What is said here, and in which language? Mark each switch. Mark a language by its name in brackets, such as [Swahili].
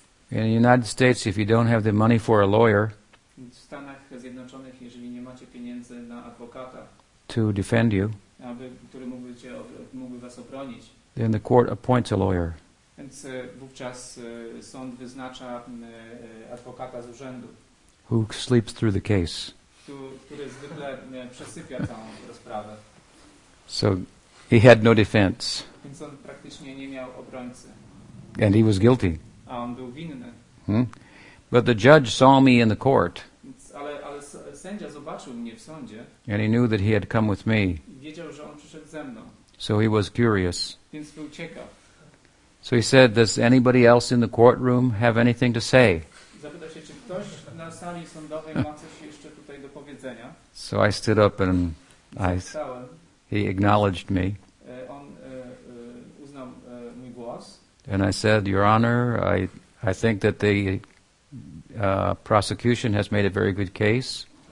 [English] in the United States, if you don't have the money for a lawyer, [Polish] w Stanach Zjednoczonych, jeżeli nie macie pieniędzy na adwokata, [English] to defend you, [Polish] który mógłby was obronić, [English] then the court appoints a lawyer. [Polish] Więc wówczas sąd wyznacza adwokata z urzędu, [English] who sleeps through the case. [Polish] Który zwykle przesypia całą rozprawę. [English] So he had no defense. [Polish] Więc on praktycznie nie miał obrońcy. [English] And he was guilty. [Polish] A on był winny. [English] But the judge saw me in the court. [Polish] Ale sędzia zobaczył mnie w sądzie. [English] And he knew that he had come with me. [Polish] Wiedział, że on przyszedł ze mną. [English] So he was curious. [Polish] Więc był ciekaw. [English] So he said, does anybody else in the courtroom have anything to say? [Polish] Zapytał się, czy ktoś na sali sądowej ma coś jeszcze tutaj do powiedzenia. [English] So I stood up and he acknowledged me. [Polish] On uznał mój głos. [English] And I said, Your Honor, I think that the prosecution has made a very good case.